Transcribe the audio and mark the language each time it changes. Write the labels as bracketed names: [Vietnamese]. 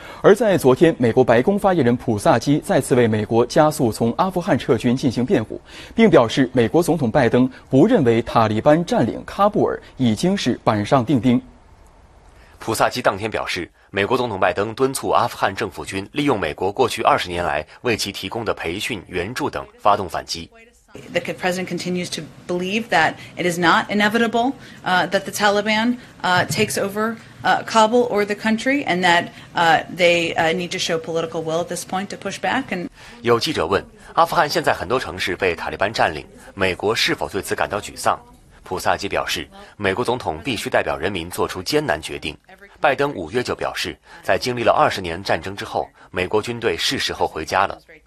[Chinese] 而在昨天，美国白宫发言人普萨基再次为美国加速从阿富汗撤军进行辩护，并表示美国总统拜登不认为塔利班占领喀布尔已经是板上钉钉。普萨基当天表示，美国总统拜登敦促阿富汗政府军利用美国过去20年来为其提供的培训、援助等发动反击。 [English] The president continues to believe that it is not inevitable, that the Taliban, takes over, Kabul or the country, and that, they, need to show political will at this point to push back. [Chinese] 有记者问，阿富汗现在很多城市被塔利班占领，美国是否对此感到沮丧？普萨基表示，美国总统必须代表人民做出艰难决定。拜登5月就表示，在经历了20年战争之后，美国军队是时候回家了。